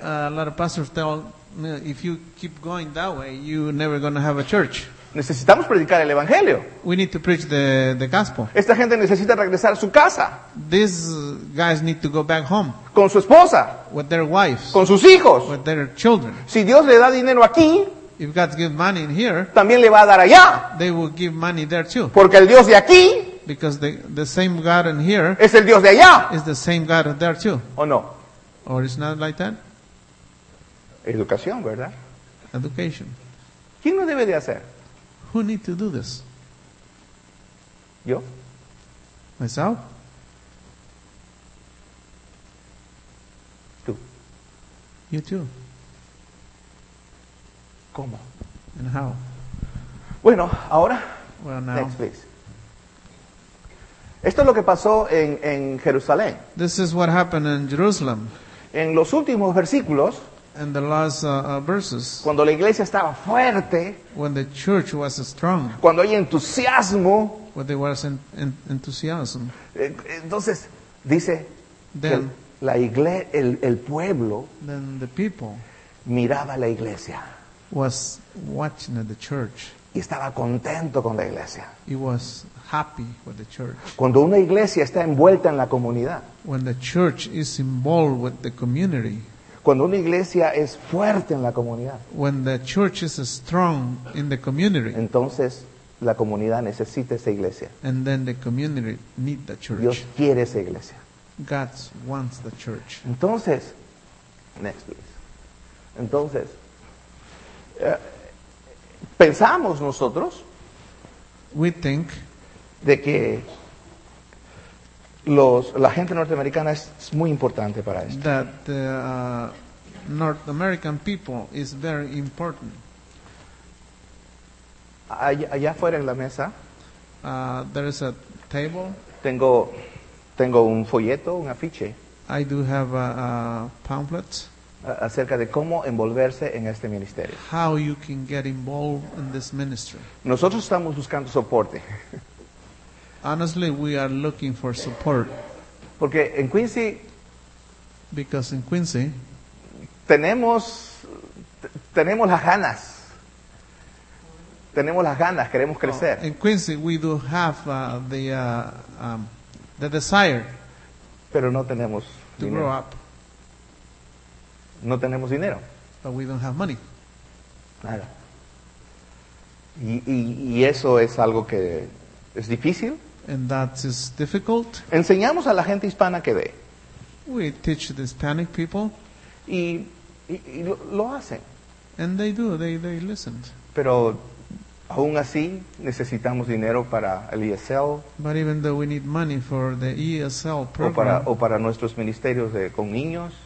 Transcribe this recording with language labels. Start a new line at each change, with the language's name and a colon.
English: A lot of pastors tell me, if you keep going that way, you're never going to have a church.
Spanish: Necesitamos predicar el evangelio.
English: We need to preach the gospel.
Spanish: Esta gente necesita regresar a su casa.
English: These guys need to go back home.
Spanish: Con su esposa.
English: With their wives.
Spanish: Con sus hijos.
English: With their children.
Spanish: Si Dios le da dinero aquí,
English: if God gives money in here,
Spanish: también le va a dar allá.
English: They will give money there too.
Spanish: Porque el Dios de aquí,
English: because the same God in here,
Spanish: es el Dios de allá.
English: Is the same God there too.
Spanish: ¿O no?
English: Or it's not like that?
Spanish: Educación, ¿verdad?
English: Education.
Spanish: ¿Quién lo debe de hacer?
English: Who need to do this?
Spanish: Yo.
English: Myself.
Spanish: Tú.
English: You too.
Spanish: ¿Cómo?
English: And how?
Spanish: Bueno, ahora.
English: Well, now. Next, please.
Spanish: Esto es lo que pasó en Jerusalén.
English: This is what happened in Jerusalem.
Spanish: En los últimos versículos.
English: In the last verses,
Spanish: cuando la iglesia estaba fuerte,
English: when the church was strong,
Spanish: cuando hay entusiasmo,
English: when there was enthusiasm,
Spanish: entonces dice,
English: then,
Spanish: que la iglesia, el pueblo,
English: then the people,
Spanish: miraba a la iglesia,
English: was watching at the church,
Spanish: y estaba contento con la iglesia,
English: he was happy with the church.
Spanish: Cuando una iglesia está envuelta en la comunidad,
English: when the church is involved with the community.
Spanish: Cuando una iglesia es fuerte en la comunidad.
English: When the church is strong in the community.
Spanish: Entonces la comunidad necesita esa iglesia.
English: And then the community need the church.
Spanish: Dios quiere esa iglesia.
English: God wants the church. Entonces, next please.
Spanish: Entonces, pensamos nosotros.
English: We think.
Spanish: De que la gente norteamericana es muy importante para esto.
English: That the North American people is very important.
Spanish: Allá afuera en la mesa,
English: there is a table.
Spanish: Tengo un folleto, un afiche.
English: I do have a pamphlet.
Spanish: Acerca de cómo envolverse en este ministerio.
English: How you can get involved in this ministry.
Spanish: Nosotros estamos buscando soporte.
English: Honestly, we are looking for support.
Spanish: Porque en Quincy,
English: because in Quincy,
Spanish: tenemos las ganas. Tenemos las ganas, queremos crecer.
English: In Quincy, we do have the desire.
Spanish: Pero no tenemos
English: to
Spanish: dinero.
English: Grow up.
Spanish: No tenemos dinero.
English: But we don't have money.
Spanish: Nada. Y eso es algo que es difícil.
English: And that is difficult.
Spanish: Enseñamos a la gente hispana que ve.
English: We teach the Hispanic people.
Spanish: Y lo hacen.
English: And they do. They listened.
Spanish: Pero aún así necesitamos dinero para el ESL.
English: But even though we need money for the ESL program.
Spanish: O para nuestros ministerios con niños.